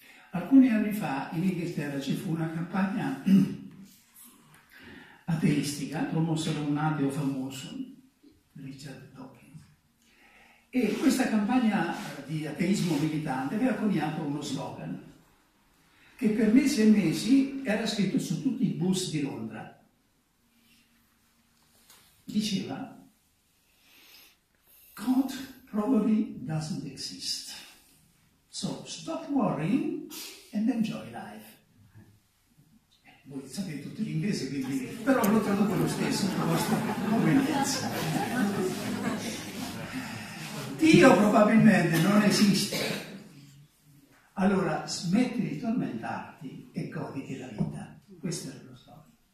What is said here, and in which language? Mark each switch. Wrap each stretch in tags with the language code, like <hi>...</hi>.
<it>Alcuni anni fa in Inghilterra ci fu una campagna ateistica promossa da un ateo famoso, Richard Dawkins, e questa campagna di ateismo militante aveva coniato uno slogan che per mesi e mesi era scritto su tutti i bus di Londra. Diceva:</it> <en>God probably doesn't exist, so stop worrying and enjoy life.</en> <it>Voi sapete tutto l'inglese, quindi, però lo traduco lo stesso per vostra convenienza. Dio probabilmente non esiste, allora smetti di tormentarti e goditi la vita. Questo è lo storico.</it>